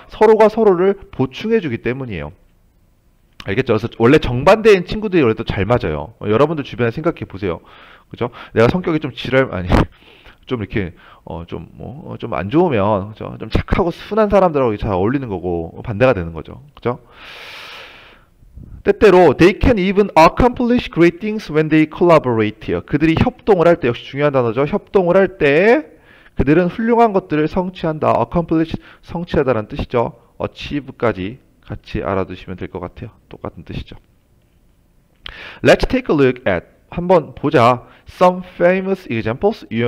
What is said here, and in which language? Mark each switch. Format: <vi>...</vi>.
<ko>서로가 서로를 보충해주기 때문이에요. 알겠죠? 그래서 원래 정반대인 친구들이 원래 또잘 맞아요. 여러분들 주변에 생각해 보세요. 그죠? 내가 성격이 좀 지랄 아니. 좀 이렇게 어좀뭐좀안 좋으면 그렇죠? 좀 착하고 순한 사람들하고 잘 어울리는 거고 반대가 되는 거죠. 그죠? 때때로</ko> <en>they can even accomplish great things when they collaborate요.</en> <ko>그들이 협동을 할때 역시 중요한 단어죠. 협동을 할때 그들은 훌륭한 것들을 성취한다. accomplish 성취하다라는 뜻이죠. achieve까지 같이 알아두시면 될것 같아요. 똑같은 뜻이죠.</ko> <en>Let's take a look at</en> <ko>한번 보자.</ko> <en>Some famous examples.</en>